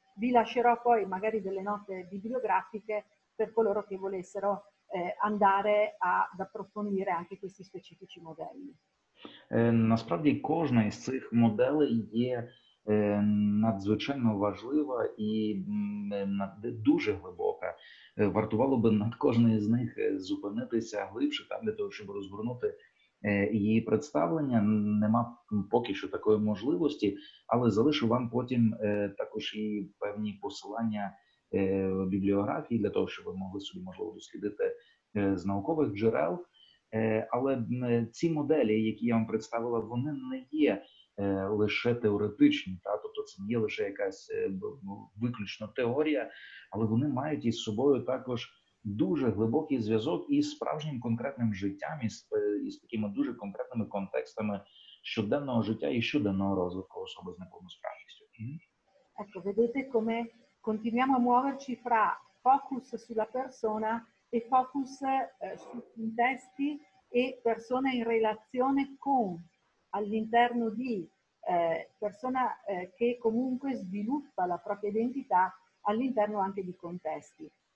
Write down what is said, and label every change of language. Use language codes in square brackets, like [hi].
[it] Vi lascerò poi magari delle note bibliografiche per coloro che volessero andare ad approfondire anche questi specifici modelli. [uk] Насправді кожна із цих моделей є надзвичайно важлива і дуже глибока. Вартувало би над кожною з них зупинитися глибше, там для того, щоб розгорнути її представлення. Нема поки що такої можливості, але залишу вам потім також і певні посилання бібліографії для того, щоб ви могли собі, можливо, дослідити з наукових джерел. Але ці моделі, які я вам представила, вони не є лише теоретичні, та? Тобто це не є лише якась виключно теорія, але вони мають із собою також дуже глибокий зв'язок із справжнім конкретним життям, із такими дуже конкретними контекстами щоденного життя і щоденного розвитку особи з неповносправністю. [it] Ecco, vedete come continuiamo a muoverci fra focus sulla persona e focus su contesti e persone in relazione con, all'interno di persona che comunque sviluppa la propria identità all'interno anche di contesti.